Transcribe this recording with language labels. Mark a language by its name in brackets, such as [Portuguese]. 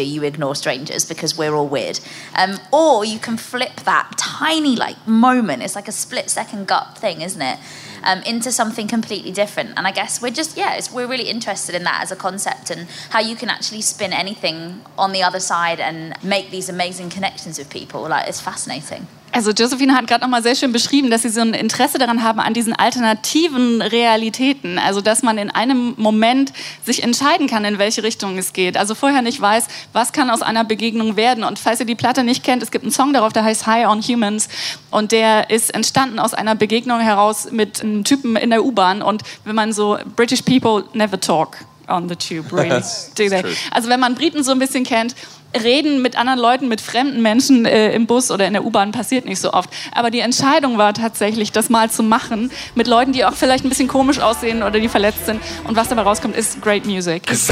[English] You ignore strangers because we're all weird. Or you can flip that tiny, like, moment. It's like a split second gut thing, isn't it? Into something completely different. And I guess we're really interested in that as a concept and how you can actually spin anything on the other side and make these amazing connections with people. Like, it's fascinating. [German] Also Josephine hat gerade nochmal sehr schön beschrieben, dass sie so ein Interesse daran haben, an diesen alternativen Realitäten. Also dass man in einem Moment sich entscheiden kann, in welche Richtung es geht. Also vorher nicht weiß, was kann aus einer Begegnung werden. Und falls ihr die Platte nicht kennt, es gibt einen Song darauf, der heißt High on Humans. Und der ist entstanden aus einer Begegnung heraus mit einem Typen in der U-Bahn. Und wenn man so, [English] British people never talk on the tube, really. [German] Also wenn man Briten so ein bisschen kennt, reden mit anderen Leuten, mit fremden Menschen im Bus oder in der U-Bahn passiert nicht so oft. Aber die Entscheidung war tatsächlich, das mal zu machen, mit Leuten, die auch vielleicht ein bisschen komisch aussehen oder die verletzt sind. Und was dabei rauskommt, ist [English] great music.